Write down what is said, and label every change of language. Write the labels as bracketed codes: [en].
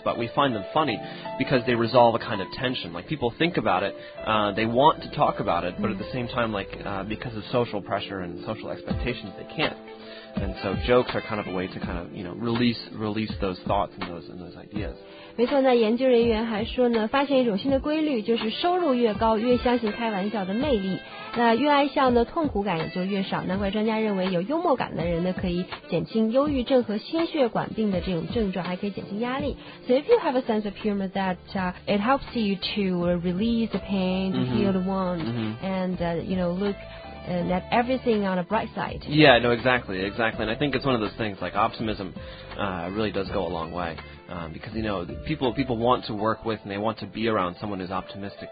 [en] But we find them funny because they resolve a kind of tension. Like, people think about it, they want to talk about it, but at the same time, because of social pressure and social expectations, they can't. And so jokes are kind of a way to kind of, you know, release those thoughts and those ideas. [zh] 没错，那研究人员还说呢，发现一种新的规律，就是收入越高，越相信开玩笑的魅力。那越爱笑呢，痛苦感也就越少。难怪专家认为，有幽默感的人呢，可以减轻忧郁症和心血管病的这种症状，还可以减轻压力。 [en] So if you have a sense of humor that it helps you to release the pain, to heal the wound, and you know, look. And that everything on a bright side. Yeah, no, exactly. And I think it's one of those things, like, optimism really does go a long way. Because, you know, people want to work with and they want to be around someone who's optimistic.